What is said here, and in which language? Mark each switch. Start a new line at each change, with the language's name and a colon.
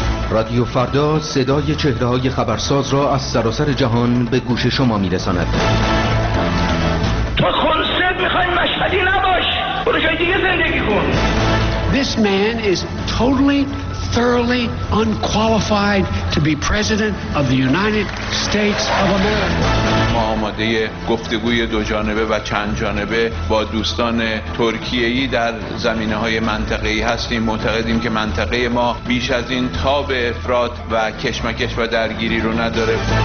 Persian: رادیو فردا صدای چهره های خبرساز را از سراسر جهان به گوش شما می رساند. تو خلصت می خواهی مشهدی نباش، برو جای دیگه زندگی کن.
English: This man is totally, thoroughly unqualified to be president of the United States of America.
Persian: ما آماده گفتگوی دو جانبه و چند جانبه با دوستان ترکیه‌ای در زمینه‌های منطقه‌ای هستیم. معتقدیم که منطقه ما بیش از این تاب افراط و کشمکش و درگیری رو نداره.